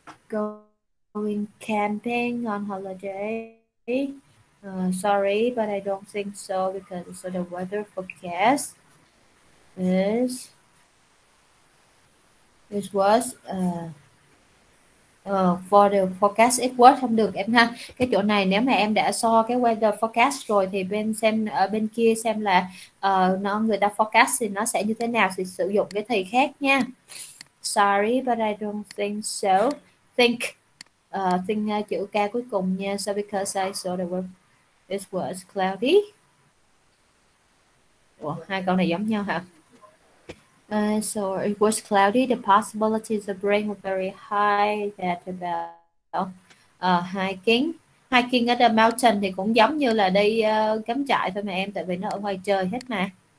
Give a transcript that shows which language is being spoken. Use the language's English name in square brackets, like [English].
[English] Going camping on holiday. Sorry but I don't think so because so the weather forecast is was for the forecast it was [Vietnamese] không được em ha. Cái chỗ này nếu mà em đã so cái weather forecast rồi thì bên xem ở bên kia xem là nó người ta forecast thì nó sẽ như thế nào thì sử dụng cái thì khác nha. [English] Sorry but I don't think so. Think [Vietnamese] chữ K cuối cùng nha. [English] So because I saw the weather it was cloudy. [Vietnamese] Ủa hai câu này giống nhau hả? [English] So it was cloudy, the possibilities of rain were very high. That about hiking. [Vietnamese] Hiking ở the mountain thì cũng giống như là đi cắm trại thôi mà em, tại vì nó ở ngoài trời hết mà.